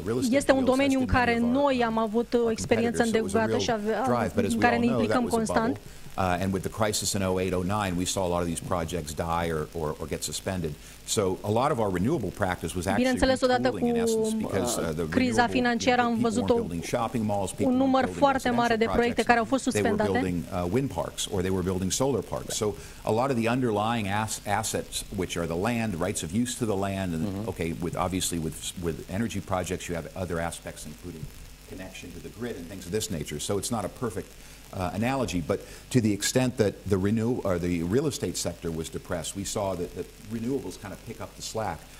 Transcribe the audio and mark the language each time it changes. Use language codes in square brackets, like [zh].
[ro] Este un domeniu în care noi am avut o experiență îndelungată și în care ne implicăm constant. [en] And with the crisis in 2008-2009, we saw a lot of these projects die or get suspended. So a lot of our renewable practice was actually retooling, [ro] odată cu criza financiară, am văzut un număr foarte mare de proiecte care au fost suspendate. [en] They were building wind parks or they were building solar parks. So a lot of the underlying assets, which are the land, rights of use to the land, and okay, with obviously with energy projects, you have other aspects, including connection to the grid and things of this nature. So it's not a perfect analogy, but to the extent that the real estate sector was depressed, we saw that the renewables kind of pick up the slack.